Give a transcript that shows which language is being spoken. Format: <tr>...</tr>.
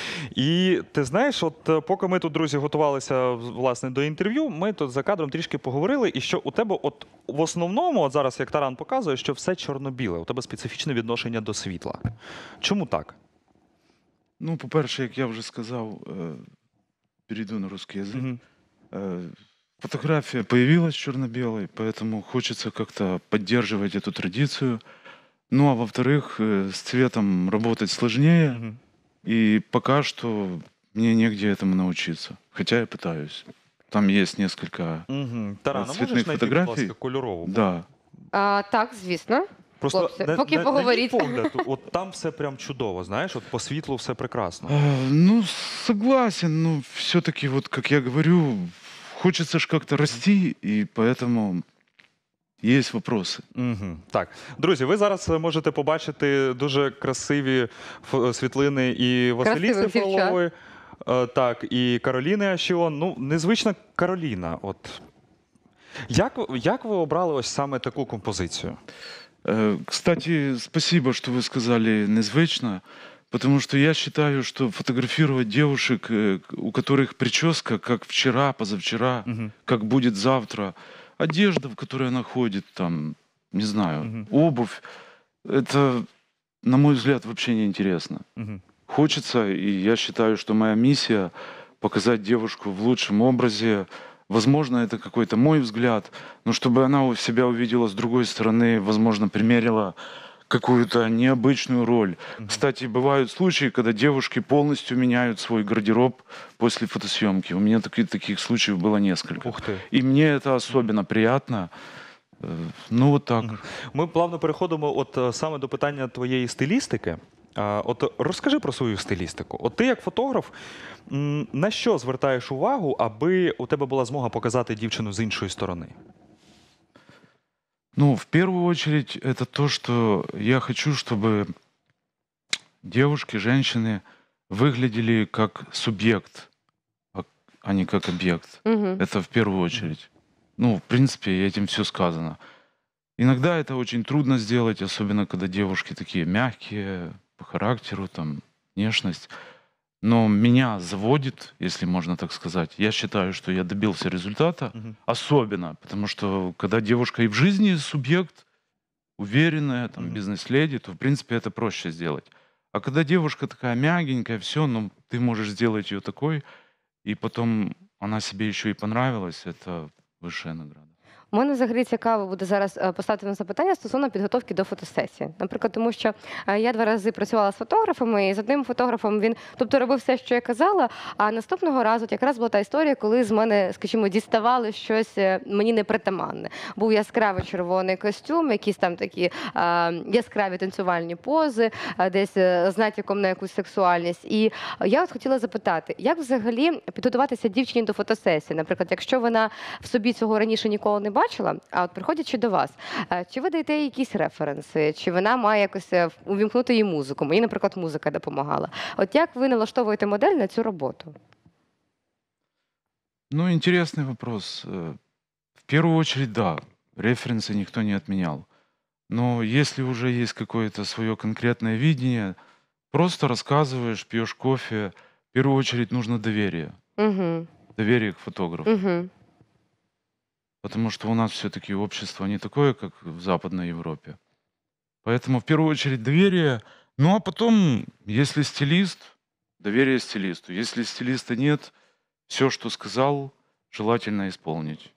<uk>І ти знаєш, от поки ми тут, друзі, готувалися, власне, до інтерв'ю, ми тут за кадром трішки поговорили, і що у тебе от в основному, от зараз, як Таран показує, що все чорно-біле, у тебе специфічне відношення до світла. Чому так? Ну, по-перше, як я вже сказав, перейду на</uk> <ru>русский язык. Mm-hmm. Фотография появилась черно-белой, поэтому хочется как-то поддерживать эту традицию. Ну а во-вторых, с цветом работать сложнее. Mm-hmm. И пока что мне негде этому научиться. Хотя я пытаюсь. Там есть несколько цветных фотографий. Тарана, можешь найти, пожалуйста,</ru> <uk>кольорову? Да. Так, звісно. Просто хлопці, поки поговорити. От там все прям чудово, знаєш, от по світлу все прекрасно. Ну, согласен, ну, все-таки, от, як я говорю, хочеться ж як-то рости, і поэтому є вопроси. Угу. Так, друзі, ви зараз можете побачити дуже красиві світлини і Василіси Фролової, так, і Кароліни Ашіон. Ну, незвична Кароліна, от. Як ви обрали ось саме таку композицію?</uk> <ru>Кстати, спасибо, что вы сказали «незвично», потому что я считаю, что фотографировать девушек, у которых прическа как вчера, позавчера, угу, как будет завтра, одежда, в которой она ходит, там, не знаю, угу, обувь, это, на мой взгляд, вообще неинтересно. Угу. Хочется, и я считаю, что моя миссия – показать девушку в лучшем образе. Возможно, это какой-то мой взгляд, но чтобы она себя увидела с другой стороны, возможно, примерила какую-то необычную роль. Mm-hmm. Кстати, бывают случаи, когда девушки полностью меняют свой гардероб после фотосъемки. У меня таких случаев было несколько. Ух ты. И мне это особенно приятно. Ну, вот так. Mm-hmm. Мы плавно переходим от</ru> <uk>саме до питання твоєї стилістики. От розкажи про свою стилістику. От ти як фотограф, на що звертаєш увагу, аби у тебе була змога показати дівчину з іншої сторони? Ну, в першу чергу, це те, що я хочу, щоб дівчатки, жінки виглядали як суб'єкт, а не як об'єкт. Це в першу чергу. Ну, в принципі, цим все сказано. Іноді це дуже трудно зробити, особливо, коли дівчатки такі м'які, характеру, там, внешность.</uk> <ru>Но меня заводит, если можно так сказать. Я считаю, что я добился результата. Угу. Особенно, потому что, когда девушка и в жизни субъект, уверенная, там, угу, бизнес-леди, то, в принципе, это проще сделать. А когда девушка такая мягенькая, все, ну, ты можешь сделать ее такой, и потом она себе еще и понравилась, это высшая награда.</ru> <uk>У мене взагалі цікаво буде зараз поставити на запитання стосовно підготовки до фотосесії. Наприклад, тому що я два рази працювала з фотографами, і з одним фотографом він, тобто, робив все, що я казала, а наступного разу якраз була та історія, коли з мене, скажімо, діставали щось мені непритаманне. Був яскравий червоний костюм, якісь там такі яскраві танцювальні пози, десь з натяком на якусь сексуальність. І я от хотіла запитати, як взагалі підготуватися дівчині до фотосесії? Наприклад, якщо вона в собі цього раніше ніколи не бачила, а от приходячи до вас, чи ви даєте їй якісь референси, чи вона має якось увімкнути її музику? Мені, наприклад, музика допомагала. От як ви налаштовуєте модель на цю роботу? Ну, інтересний вопрос. В першу чергу, да, референси ніхто не відміняв. Но якщо вже є якесь своє конкретне видіння, просто розказуєш, п'єш кофе, в першу чергу, потрібно довір'я. Угу. Довір'я к фотографу. Угу.</uk> <ru>Потому что у нас все-таки общество не такое, как в Западной Европе. Поэтому в первую очередь доверие. Ну а потом, если стилист, доверие стилисту. Если стилиста нет, все, что сказал, желательно исполнить.</ru>